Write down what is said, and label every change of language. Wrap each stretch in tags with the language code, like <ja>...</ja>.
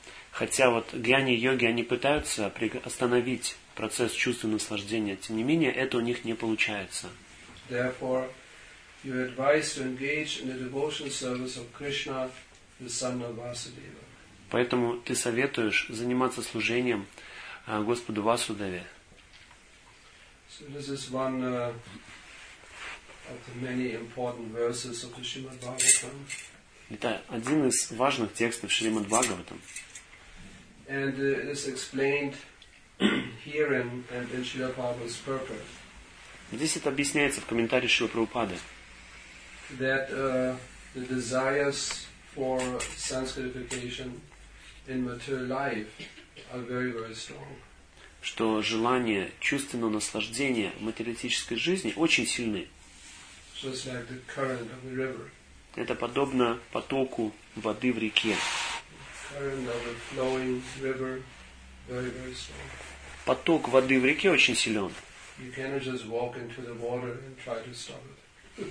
<ru>Хотя вот гьяни и йоги, они пытаются остановить процесс чувственного наслаждения, тем не менее, это у них не получается.</ru> <en>You advise to engage in the devotional service of Krishna, the son of Vasudeva.</en> <ru>Поэтому ты советуешь заниматься служением Господу Васудеве.</ru> <en>So this is one of the many important verses of the Srimad Bhagavatam.</en> <ru>Это один из важных текстов Шримад Бхагаватам.</ru> <en>And it is explained here in Srila Prabhupada's purport.</en> <ru>Здесь это объясняется в комментарии Шрила Прабхупады.</ru> <en>That the desires for sanskritification in material life are very, very strong.</en> <ru>Что желание чувственного наслаждения в материалистической жизни очень сильны.</ru> <en>Just like the current of the river.</en> <ru>Это подобно потоку воды в реке.</ru> <en>Current of a flowing river, very, very strong.</en> <ru>Поток воды в реке очень силен.</ru> <en>You cannot just walk into the water and try to stop it.</en>